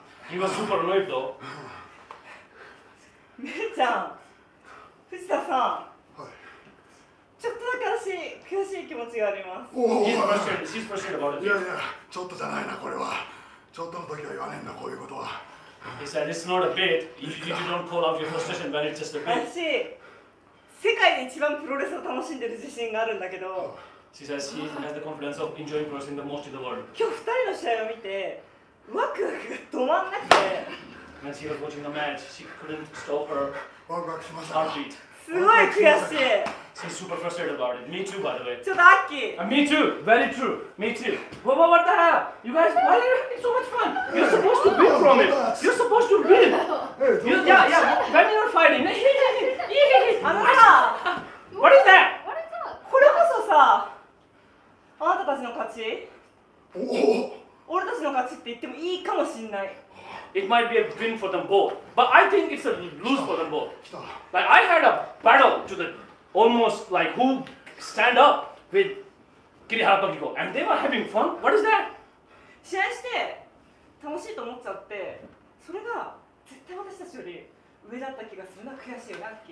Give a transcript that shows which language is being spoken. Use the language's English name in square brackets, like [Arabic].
[English] He was super annoyed though、 [Japanese] 姉ちゃん、藤田さん、ちょっとだけ悔しい気持ちがあります。 [English] おー、She's frustrated, she's frustrated about it. [Japanese] いやいや、ちょっとじゃないな、これは。ちょっとの時は言わねえんだ、こういうことは。 [English] He said, it's not a bit. You don't call out your frustration when it's just a bit. [Japanese] 私、世界で一番プロレスを楽しんでる自信があるんだけど。 [English] She says she has the confidence of enjoying wrestling the most in the world. [Japanese] 今日二人の試合を見て、ワクワクが止まんなくて。 [English] When she was watching the match, she couldn't stop her heartbeat. [Japanese] すごい悔しい。 [English] She's super frustrated about it. Me too, by the way. [Japanese] ちょっとアッキー。 [English] Me too. Very true. Me too. What the hell? You guys, why are you having so much fun? You're supposed to win from it. You're supposed to win. Yeah. When you're fighting. What is that? [Japanese] これこそさ、あなたたちの勝ち。おお。俺たちの勝ちって言ってもいいかもしんない。 [English] It might be a win for them both, but I think it's a lose for them both. [Japanese] 来た。 [English] Like I had a battle to the almost like who stand up with Kirihara Tokiko, and they were having fun. What is that? [Japanese] 試合して楽しいと思っちゃって、それが絶対私たちより上だった気がするな、悔しいよ、ラッキ